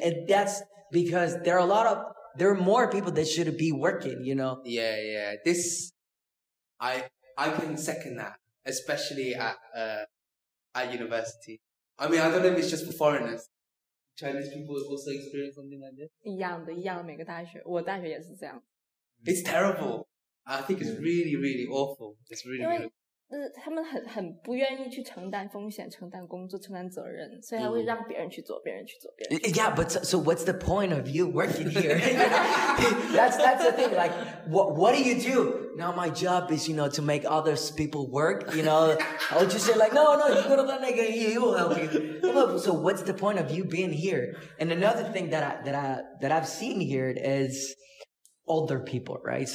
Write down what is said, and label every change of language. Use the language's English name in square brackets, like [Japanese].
[English] And that's because there are a lot of, there are more people that should be working, you know? Yeah. This, I can second that, especially at university. I mean, I don't know if it's just for foreigners. Chinese people also experience something like this? [Chinese] 一样的，每个大学，我大学也是这样。 [English] It's terrible. I think it's really, really awful. It's really, really awful. [Chinese] 就是他们很不愿意去承担风险，承担工作，承担责任，所以他会让别人去做。 [English] Yeah, but so what's the point of you working here? that's the thing. Like, what do you do? Now my job is, you know, to make other people work. You know, I'll just say like, no, you go to that nigga, he will help you. So what's the point of you being here? And another thing that I've seen here is older people, right?